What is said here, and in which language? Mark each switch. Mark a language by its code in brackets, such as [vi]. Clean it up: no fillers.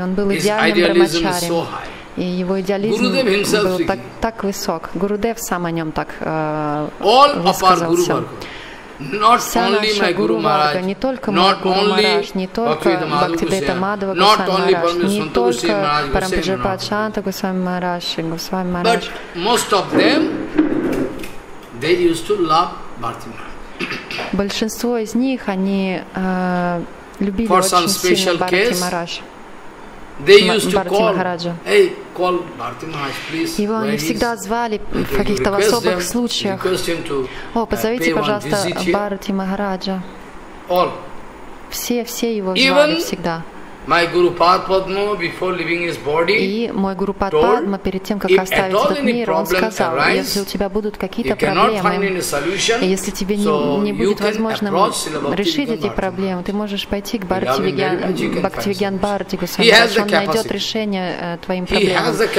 [ru] Он был идеальным Брахмачари. И его идеализм был так высок. Гурудев сам о нем так высказался. [en] Not only my Guru Maharaj, [ru] не только мой Гуру Махарадж, не только Бхактивейдата Мадхава Госвами Махарадж, не только Парампаджапад Шанта Госвами Махарадж и Госвами Махарадж. [en] But most of them, they used to love Bharati Maharaj. [ru] Большинство из них, они любили очень сильно Бхакти Махарадж. [en] They used to call, hey, call Bharati Maharaj, please. [ru] Его они всегда звали в каких-то особых случаях. О, позовите, пожалуйста, Бхарати Махараджа. [en] All. [ru] Все его звали всегда. [en] My Guru Padma, before leaving his body, [ru] и мой Гуру Падма, перед тем, как оставить этот мир, он сказал, если у тебя будут какие-то проблемы, если тебе не будет возможным решить эти проблемы, ты можешь пойти к Бхакти Вигьян Бхарати Госвами Махарадж, он найдет решение твоим проблемам.